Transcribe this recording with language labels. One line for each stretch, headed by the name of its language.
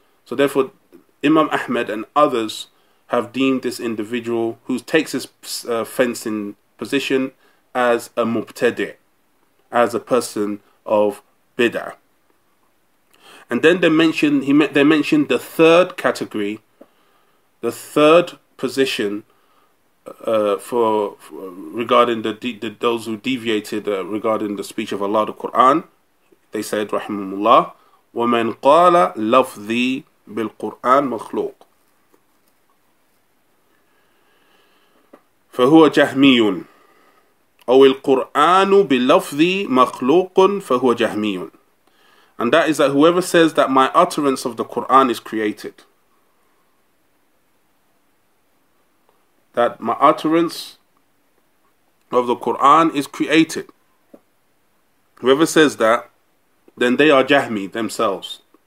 English: So therefore, Imam Ahmed and others have deemed this individual who takes his fencing position as a mubtadi', as a person of bid'ah. And then they mentioned the third category, the third position regarding those who deviated regarding the speech of Allah, the Qur'an. They said, rahimahullah,
Arabic: وَمَنْ قَالَ لَفْظِي بِالْقُرْآنِ مَخْلُوقٍ فَهُوَ جَهْمِيٌ أَوِ الْقُرْآنُ بِلَفْظِي مَخْلُوقٌ فَهُوَ جَهْمِيٌ.
English: And that is that whoever says that my utterance of the Qur'an is created, that my utterance of the Qur'an is created, whoever says that, then they are Jahmi themselves.